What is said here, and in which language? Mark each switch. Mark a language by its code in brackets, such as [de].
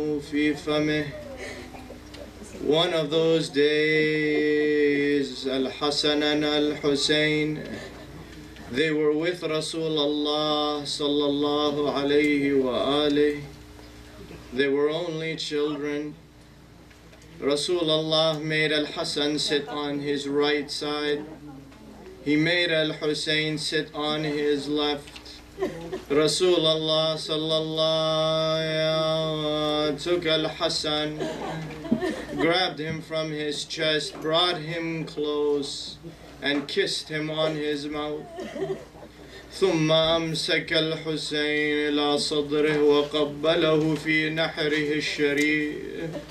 [ar] في فمه [en] One of those days الحسن الحسين They were with Rasulullah sallallahu alayhi wa alihi. They were only children. Rasulullah made al-Hasan sit on his right side. He made al-Husayn sit on his left. Rasulullah sallallahu alayhi took al-Hasan, grabbed him from his chest, brought him close. And kissed him on his mouth. [ar] ثم أمسك الحسين إلى صدره وقبله في نحره الشريف.